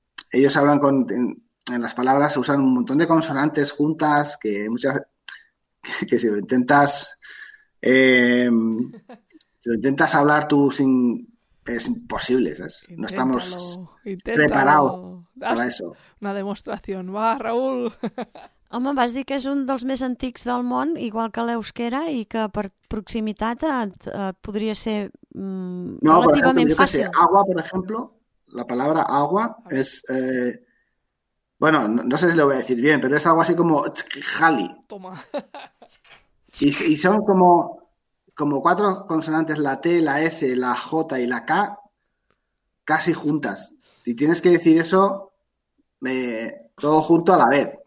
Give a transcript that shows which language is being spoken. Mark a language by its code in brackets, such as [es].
[es] Ellos hablan en las palabras, usan un montón de consonantes juntas que muchas que si lo intentas... si lo intentas hablar tú sin... Es imposible, ¿sabes? Inténtalo, no estamos preparados para eso. [ca] Una demostració. Va, Raúl! Home, vas dir que és un dels més antics del món, igual que l'euskera, i que per proximitat et podria ser relativament fàcil. No, per exemple, [es] agua, [ca] per exemple, [es] la palabra agua és... bueno, no sé si lo voy a decir bien, pero es algo así como txkjali. Toma. Y son como... Como cuatro consonantes, la T, la S, la J y la K, casi juntas. Y tienes que decir eso todo junto a la vez.